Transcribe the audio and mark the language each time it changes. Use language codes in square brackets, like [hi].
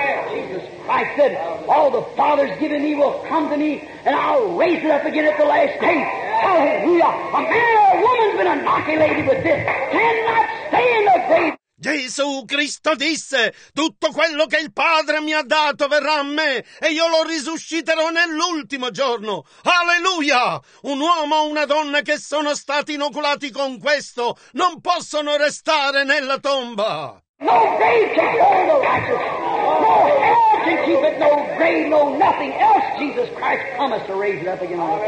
[en] Jesus Christ said, all the Father's given me will come to me, and I'll raise it up again at the last day. Hallelujah! A man or a woman's been inoculated with this. Cannot stay in the grave. [it] Gesù Cristo disse, tutto quello che il Padre mi ha dato verrà a me e io lo risusciterò nell'ultimo giorno. Alleluia! Un uomo o una donna che sono stati inoculati con questo non possono restare nella tomba. [en] No grave can hold the righteous. No hell can keep it. No grave, no nothing else. Jesus Christ promised to raise it up again.